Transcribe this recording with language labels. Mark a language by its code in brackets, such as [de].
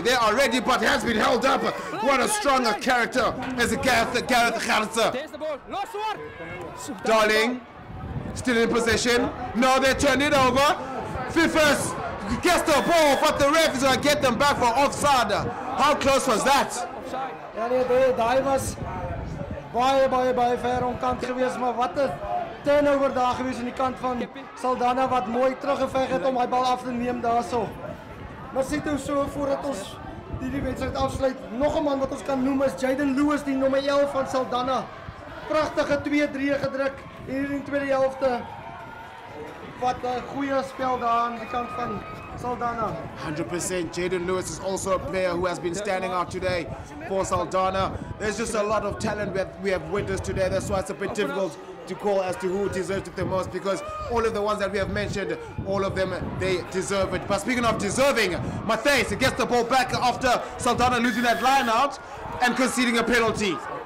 [en] They are ready but has been held up. What a stronger character is Gareth Gharza. Darling. Still in possession. No, they turn it over. Fifus gets the ball, but the ref is going to get them back for offside. How close was that? [af] Ja nee, daai was baie ver om kant gewees, maar wat 'n turnover daar gewees aan die kant van Saldanha wat mooi teruggeveg het om hy bal af te neem daarso. Maar sit hoe so voordat ons hierdie wedstryd afsluit, nog 'n man wat ons kan noem is Jaden Lewis, die nommer 11 van Saldanha. Pragtige 2-3 gedruk hier in die tweede helfte. Wat 'n goeie spel daar aan die kant van Saldanha. [en] 100%. Jaden Lewis is also a player who has been standing out today for Saldanha. There's just a lot of talent we have witnessed today. That's why it's a bit difficult to call as to who deserves it the most, because all of the ones that we have mentioned, all of them, they deserve it. But speaking of deserving, Mathais gets the ball back after Saldanha losing that line out and conceding a penalty.